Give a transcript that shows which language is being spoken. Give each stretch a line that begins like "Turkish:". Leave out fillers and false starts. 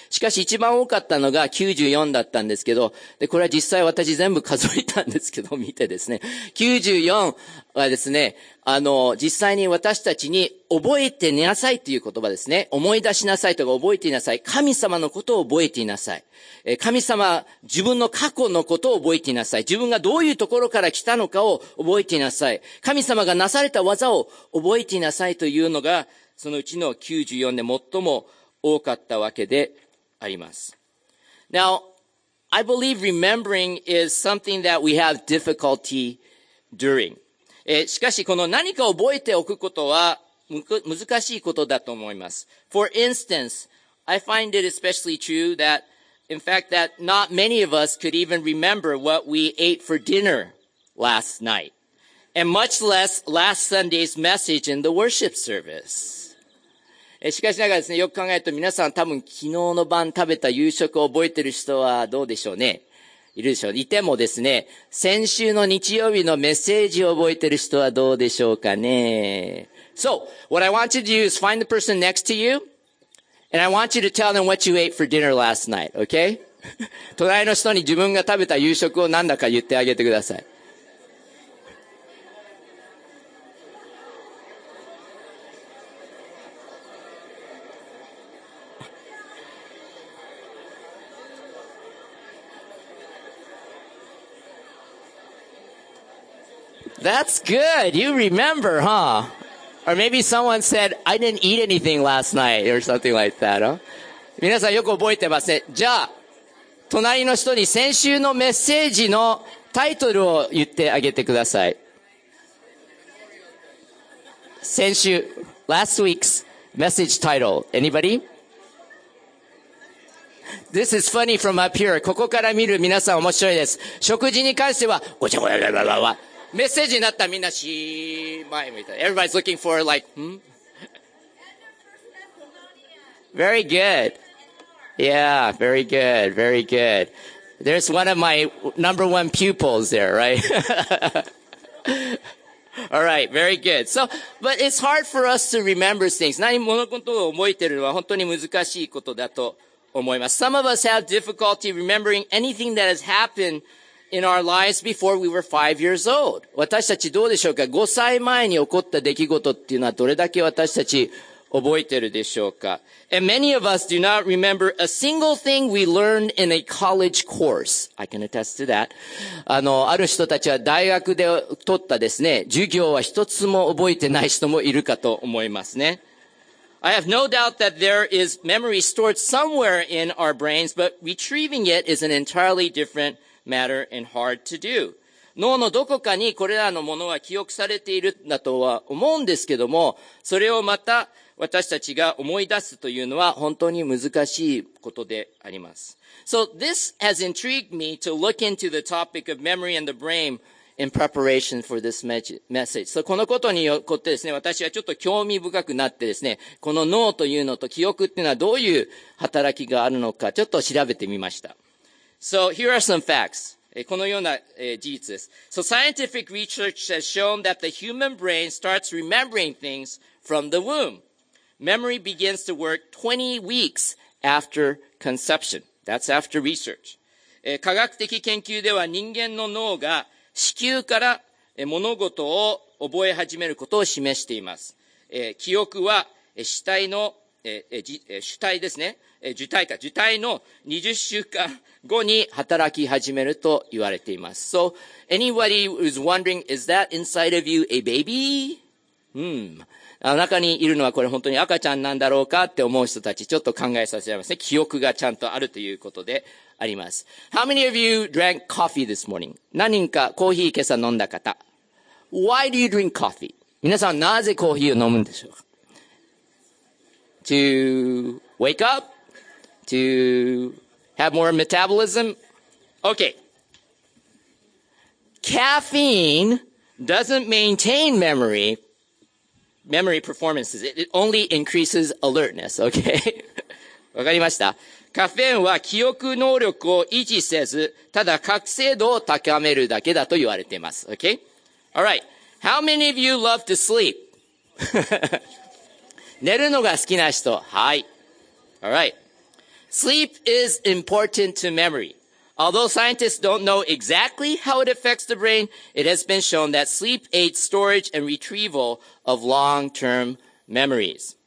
Japanese: しかし一番多かったのが94だったんですけど、で、これは実際私全部数えたんですけど、見てですね。 94はですね、実際に私たちに覚えてなさいという言葉ですね。思い出しなさいとか覚えていなさい。神様のことを覚えていなさい。神様、自分の過去のことを覚えていなさい。自分がどういうところから来たのかを覚えていなさい。神様がなされた技を覚えていなさいというのがそのうちの94で最も多かったわけであります。
English: Now, I believe remembering is something that we have difficulty during.
Japanese: しかし、この何か覚えておくことは難しいことだと思います。
English: For instance, I find it especially true that, in fact, that not many of us could even remember what we ate for dinner last night. And much less last Sunday's message in the worship service.
Japanese: しかしながらですね、よく考えると皆さん多分昨日の晩食べた夕食を覚えてる人はどうでしょうね。いるでしょう。いてもですね、先週の日曜日のメッセージを覚えてる人はどうでしょうかね。
English: So, what I want you to do is find the person next to you, and I want you to tell them what you ate for dinner last night, okay?
Japanese: 隣の人に自分が食べた夕食を何だか言ってあげてください。
English: That's good. You remember, huh? Or maybe someone said, I didn't eat anything last night or something like that, huh?
Japanese: 皆さんよく覚えてますね。じゃあ、隣の人に先週のメッセージのタイトルを言ってあげてください。先週、
English: last week's message title. Anybody? This is funny from up here.
Japanese: ここから見る皆さん面白いです。食事に関しては、ごちゃごちゃごちゃごちゃ。メッセージになったらみんなしーまいみたい。
English: Everybody's looking for like, hmm? Very good. Yeah, very good, very good. There's one of my number one pupils there, right? Alright, very good. So, but it's hard for us to remember things.
Japanese: 何物事を覚えてるのは本当に難しいことだと思います。
English: Some of us have difficulty remembering anything that has happened in our lives before we were 5 years old.
Japanese: 私たちどうでしょうか ?5 歳前に起こった出来事っていうのはどれだけ私たち覚えてるでしょうか
English: ?And many of us do not remember a single thing we learned in a college course. I can attest to that.
Japanese: ある人たちは大学で取ったですね、授業は一つも覚えてない人もいるかと思いますね。
English: I have no doubt that there is memory stored somewhere in our brains, but retrieving it is an entirely differentmatter and hard to do.
Japanese: 脳のどこかにこれらのものは記憶されているんだとは思うんですけども、それをまた私たちが思い出すというのは本当に難しいことであります。
English: So this has intrigued me to look into the topic of memory and the brain in preparation for this message.
Japanese: So このことによってですね、私はちょっと興味深くなってですね、この脳というのと記憶っていうのはどういう働きがあるのかちょっと調べてみました。
English: So here are some facts.
Japanese: このような事実です。
English: So scientific research has shown that the human brain starts remembering things from the womb. Memory begins to work 20 weeks after conception. That's after research.
Japanese: 科学的研究では人間の脳が子宮から物事を覚え始めることを示しています。記憶は死体の受胎ですね。受胎の20週間後に働き始めると言われています。
English: So, anybody who's wondering, is that inside of you a baby?
Japanese: 中にいるのはこれ本当に赤ちゃんなんだろうかって思う人たち、ちょっと考えさせられますね。記憶がちゃんとあるということであります。
English: How many of you drank coffee this morning?
Japanese: 何人かコーヒー今朝飲んだ方。
English: Why do you drink coffee?
Japanese: 皆さんなぜコーヒーを飲むんでしょうか
English: To wake up, to have more metabolism. Okay. Caffeine doesn't maintain memory performances. It only increases alertness. Okay.
Japanese: わかりました。カフェインは記憶能力を維持せず、ただ覚醒度を高めるだけだと言われています。
English: Okay. All right. How many of you love to sleep?
Japanese: 寝るのが好きな人。はい。
English: Alright. Sleep is important to memory. Although scientists don't know exactly how it affects the brain, it has been shown that sleep aids storage and retrieval of long-term memories.